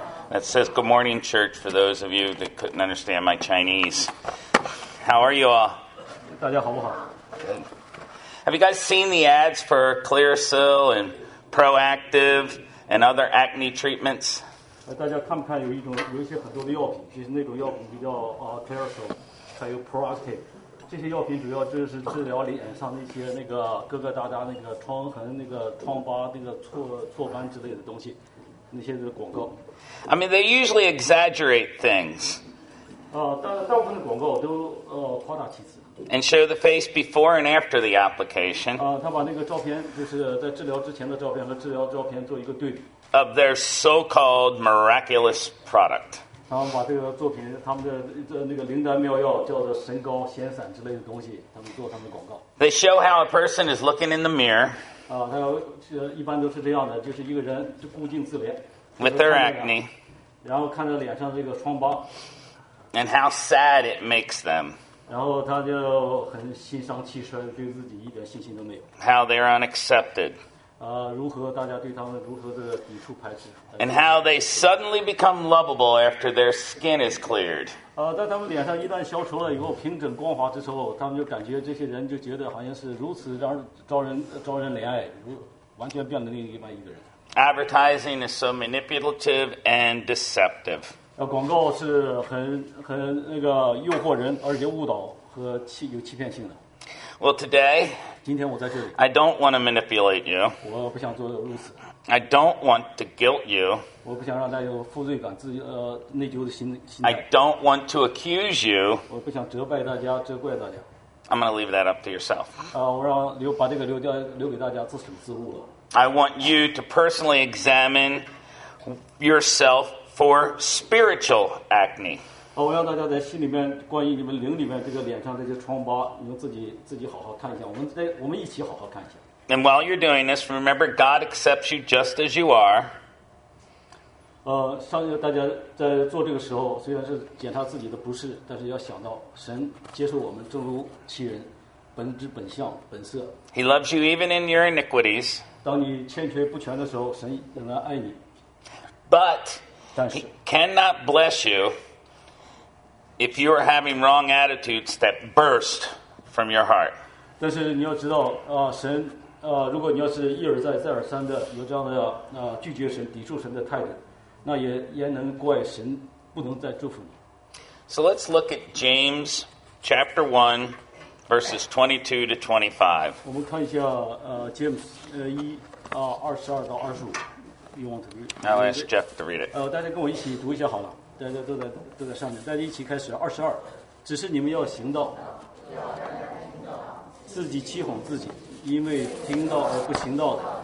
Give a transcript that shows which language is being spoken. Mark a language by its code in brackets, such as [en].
[en] It says good morning, Church. For those of you that couldn't understand my Chinese, how are you all? [zh] 大家好不好 [en] ？Good. Have you guys seen the ads for Clearasil and Proactive？ And other acne treatments. [zh] 大家看不看有一种有一些很多的药品，其实那种药品比较Clearasil， 还有 Proactive， 这些药品主要就是治疗脸上那些那个疙疙瘩瘩、那个疮痕、那个疮疤、那个痤疮之类的东西，那些的广告。 [en] I mean, they usually exaggerate things. [zh] 大部分的广告都夸大其词。 [en] And show the face before and after the application. [zh] 他把那个照片，就是在治疗之前的照片和治疗照片做一个对比。 [en] Of their so-called miraculous product. [zh] 他们把这个作品，他们的那个灵丹妙药叫做神膏、仙散之类的东西，他们做他们的广告。 [en] They show how a person is looking in the mirror. [zh] 他一般都是这样的，就是一个人就孤镜自怜。 [en] With their acne. [zh] 然后看着脸上这个疮疤。 [en] And how sad it makes them. [zh] 然后他就很心伤气衰，对自己一点信心都没有。 [en] How they are unaccepted. [zh] 如何大家对他们如何的抵触排斥。 [en] And how they suddenly become lovable after their skin is cleared. [zh] 在他们脸上一旦消除了以后平整光滑之后，他们就感觉这些人就觉得好像是如此招人怜爱，完全变得另一半一个人。 [en] Advertising is so manipulative and deceptive. [zh] 广告是很那个诱惑人，而且误导和有欺骗性的。 [en] Well, today, [zh] 今天我在这里。 [en] I don't want to manipulate you. [zh] 我不想做如此。 [en] I don't want to guilt you. [zh] 我不想让大家有负罪感、内疚的心。 [en] I don't want to accuse you. [zh] 我不想责备大家、责怪大家。 [en] I'm going to leave that up to yourself. [zh] 我让把这个留给大家自省自悟了。 [en] I want you to personally examine yourself. For spiritual acne. [zh] 我让大家在心里面，关于你们灵里面这个脸上这些疮疤，你们自己好好看一下。我们一起好好看一下。 [en] And while you're doing this, remember God accepts you just as you are. [zh] 大家在做这个时候，虽然是检查自己的不是，但是要想到神接受我们正如其人，本质本相本色。 [en] He loves you even in your iniquities. [zh] 当你欠缺不全的时候，神仍然爱你。 [en] But He cannot bless you if you are having wrong attitudes that burst from your heart. [zh] 但是你要知道，神，如果你要是一而再、再而三的有这样的拒绝神、抵触神的态度，那也能怪神不能再祝福你。 [en] So let's look at James chapter 1, verses 22 to 25. [zh] 我们看一下，James 一二十二到二十五。 [en] Now I'll ask Jeff to read it. [zh] 大家跟我一起读一下好了，大家都在上面，大家一起开始。二十二，只是你们要行道，自己欺哄自己，因为听道而不行道的。